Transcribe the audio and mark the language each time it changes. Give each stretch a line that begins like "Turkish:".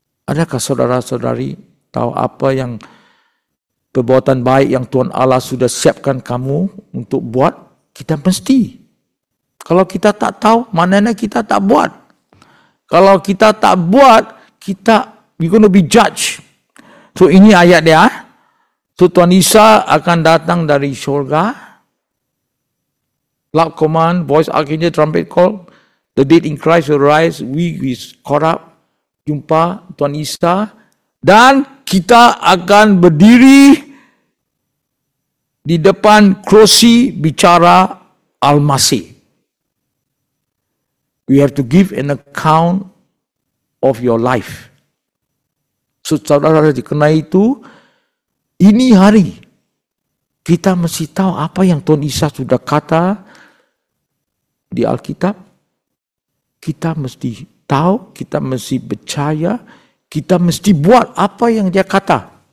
Malay: Adakah saudara-saudari tahu apa yang perbuatan baik yang Tuhan Allah sudah siapkan kamu untuk buat? Kita mesti. Kalau kita tak tahu, mananya kita tak buat. Kalau kita tak buat, kita,
English: we're going to be judged.
Malay: So, ini ayat dia. So, Tuhan Isa akan datang dari syurga.
English: Loud command, voice archangel, trumpet call. The dead in Christ will rise, we is caught up,
Malay: jumpa Tuhan Isa, dan kita akan berdiri di depan kerusi bicara Al-Masih.
English: We have to give an account of your life.
Malay: So, saudara-saudara, karena itu, ini hari kita mesti tahu apa yang Tuhan Isa sudah kata di Alkitab. Kita mesti tahu, kita mesti percaya, kita mesti buat apa yang dia kata.